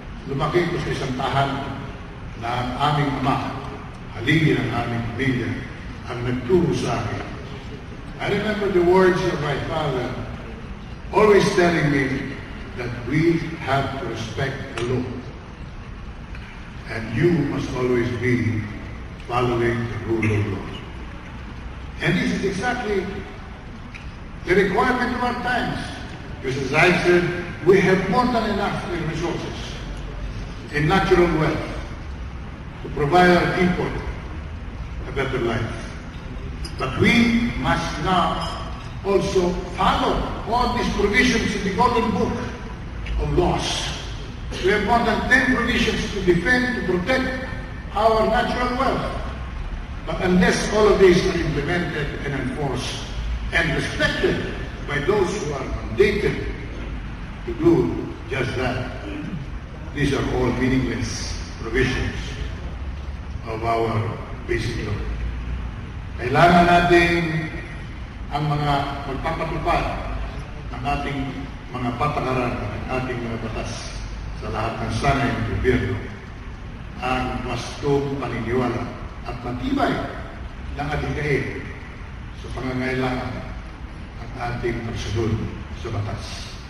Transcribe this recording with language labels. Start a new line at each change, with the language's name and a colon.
Filipino: lumaki ko sa isang tahan na ang aming ama, halili ng aming pamilya, ang nagturo sa akin.
English: I remember the words of my father always telling me that we have to respect the law. And you must always be following the rule of law. And this is exactly the requirement of our times. Because as I said, we have more than enough resources and natural wealth to provide our people a better life. But we must now also follow all these provisions in the Golden Book of Laws. We have more than 10 provisions to defend, to protect our natural wealth. But unless all of these are implemented and enforced and respected by those who are mandated to do just that, these are all meaningless provisions of our basic law.
Filipino: Kailangan natin ang mga magpapatupad ng ating mga patakaran, ng ating mga batas sa lahat ng sana ng gobyerno, ang wastong paniniwala at matibay ng ating kahit sa pangangailangan ng ating pagsunod sa batas.